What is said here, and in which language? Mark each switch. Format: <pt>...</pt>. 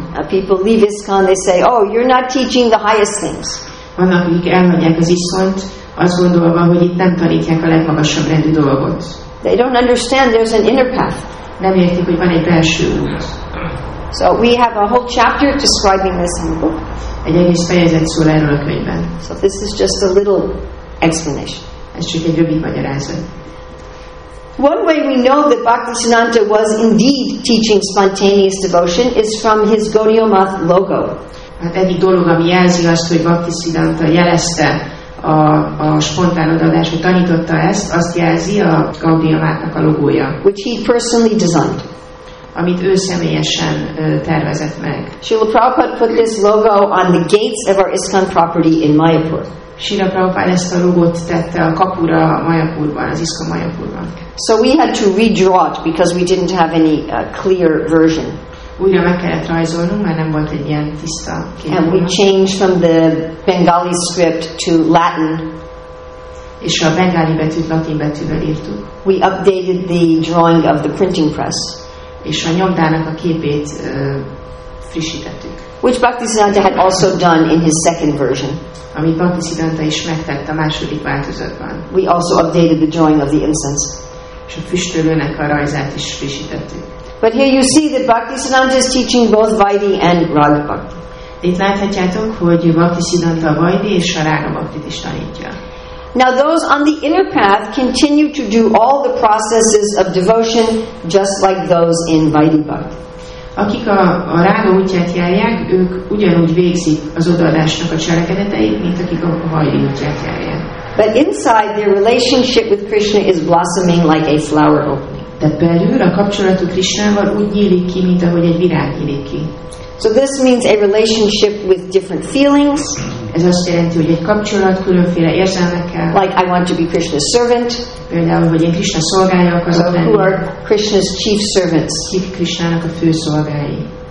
<en>People leave ISKCON, they say, oh, you're not teaching the highest things.</en> <hu>Vannak, akik elmondják az ISKCONot, azt gondolva, hogy itt nem tanítják a legmagasabb rendű dolgot.</hu> <en>They don't understand there's an inner path.</en> <hu>Nem értik, hogy van egy belső út.</hu> <en>So we have a whole chapter describing this in the book.</en> <hu>Egy egész fejezet szól erről a könyvben.</hu> <en>So this is just a little explanation.</en> <hu>Ez csak egy rövid magyarázat.</hu> <en>One way we know that Bhaktisiddhanta was indeed teaching spontaneous devotion is from his Gaudiya Math logo.</en> <hu>Hát egyik dolog, ami jelzi azt, hogy Bhaktisiddhanta jelezte a spontán odaadás, hogy tanította ezt, azt jelzi a Gaudiya Mathnak a logója.</hu> <en>Which he personally designed.</en> <hu>Amit ő személyesen tervezett meg.</hu> <en>Srila Prabhupada put this logo on the gates of our ISKCON property in Mayapur.</en> <hu>Srila Prabhupada ezt a logót tette a kapura Mayapurban, az ISKCON Mayapurban.</hu> <en>So we had to redraw it because we didn't have any clear version.</en> <hu>Újra meg kellett rajzolnunk, mert nem volt egy ilyen tiszta kép.</hu> <en>And we changed from the Bengali script to Latin.</en> <hu>És a bengáli betűt latin betűvel írtuk.</hu> <en>We updated the drawing of the printing press.</en> <hu>És a nyomdának a képét frissítettük.</hu> <en>Which Bhaktisiddhanta had also done in his second version.</en> <hu>Ami Bhaktisiddhanta is megtett a második változatban.</hu> <en>We also updated the drawing of the incense.</en> <hu>És a füstölőnek a rajzát is frissítettük.</hu> <en>But here you see that Bhaktisiddhanta is teaching both Vaidhi and Radha Bhakti.</en> <hu>Itt láthatjátok, hogy Bhaktisiddhanta a Vaidhi és a Radha Bhakti is tanítja.</hu> <en>Now those on the inner path continue to do all the processes of devotion just like those in Vaidyabhakti.</en> <hu>Akik a rága útját járják, ők ugyanúgy végzik az odaadásnak a cselekedeteit, mint akik a hajli útját járják.</hu> <en>But inside their relationship with Krishna is blossoming like a flower opening.</en> <hu>De belül a kapcsolatuk Krisnával úgy nyílik ki, mint ahogy egy virág nyílik ki.</hu> <en>So this means a relationship with different feelings.</en> <hu>Ez azt jelenti, hogy egy kapcsolat különféle érzelmekkel.</hu> <en>Like I want to be Krishna's servant.</en> <hu>Például, hogy én Krishna szolgálja akarok lenni.</hu> <en>Who are Krishna's chief servants?</en> <hu>Kik Krishnának a fő szolgái?</hu>